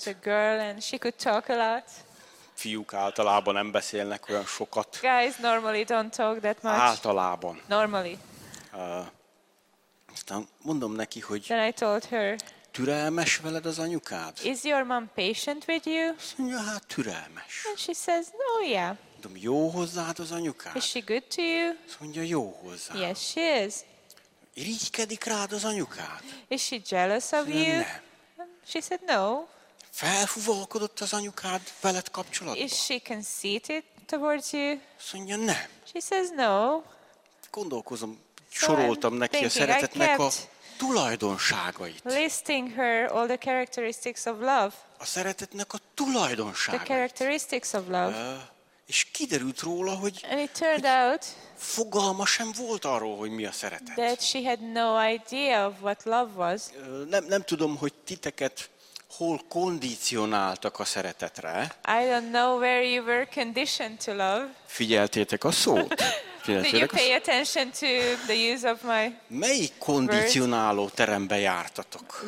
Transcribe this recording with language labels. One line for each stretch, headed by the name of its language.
English: She was a girl and she could talk a lot.
Hungarian: Fiúk általában nem beszélnek olyan sokat.
English: Guys normally don't talk that much.
Hungarian: Általában.
English: Normally.
Hungarian: Aztán mondom neki, hogy
English: then I told her,
Hungarian: türelmes veled az anyukád?
English: Is your mom patient with you?
Hungarian: Mondja, hát türelmes.
English: And she says, no, yeah.
Hungarian: Mondom, jó hozzád az anyukád?
English: Is she good to you?
Hungarian: Mondja, jó hozzád.
English: Yes, she is.
Hungarian: Irigykedik rád az anyukád?
English: Is she jealous of you?
Hungarian: Nem.
English: She said no.
Hungarian: Felhúvolkodott az anyukád veled kapcsolatban.
English: Is she conceited towards you?
Hungarian: Szóval ne.
English: She says no.
Hungarian: Gondolkozom, soroltam neki a szeretetnek a tulajdonságait.
English: Listing her all the characteristics of love.
Hungarian: A szeretetnek a tulajdonságait.
English: The characteristics of love.
Hungarian: És kiderült róla, hogy fogalma sem volt arról, hogy mi a szeretet.
English: That she had no idea of what love was.
Hungarian: Nem tudom, hogy titeket hol kondicionáltak a szeretetre.
English: I don't know where you were conditioned to love.
Hungarian: Figyeltétek a szót?
English: Did you pay attention to the use of my
Hungarian: melyik kondicionáló terembe jártatok?